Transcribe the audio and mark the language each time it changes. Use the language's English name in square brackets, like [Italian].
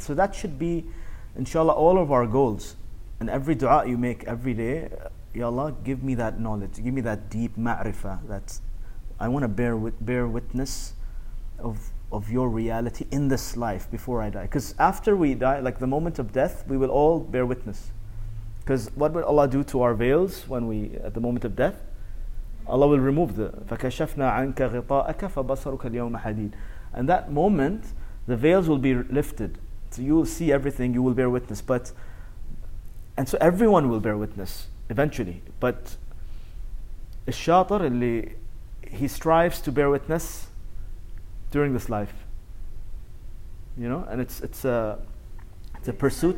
[English] So that should be, inshallah, all of our goals. And every dua you make every day, Ya Allah, give me that knowledge, give me that deep ma'rifah, that I want to bear witness of your reality in this life before I die. Because after we die, like the moment of death, we will all bear witness. Because what will Allah do to our veils when we, at the moment of death? Allah will remove the [Arabic] فَكَشَفْنَا عَنْكَ غِطَاءَكَ فَبَصَرُكَ الْيَوْمَ حَدِيدٌ. [English] And that moment, the veils will be lifted. So you will see everything, you will bear witness. But, and so everyone will bear witness eventually, but [Arabic] الشاطر اللي [English] he strives to bear witness during this life, you know, and it's a pursuit.